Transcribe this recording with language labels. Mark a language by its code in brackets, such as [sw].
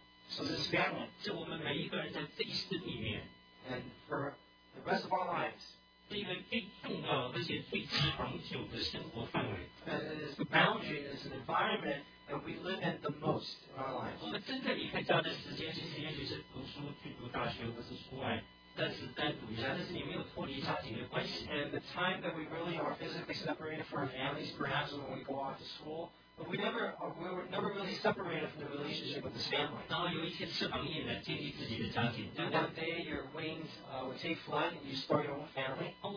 [en] so this family, and for the rest of our lives, the boundary is an environment that we live in the most in our lives. [zh] 我们真正离开家的时间，其实也许是读书、去读大学，或是出来。但是单独一下, [en] and the time that we really are physically separated from our families, perhaps when we go off to school, but we were never really separated from the relationship with this family. And one day your wings would take flight and you start your own family.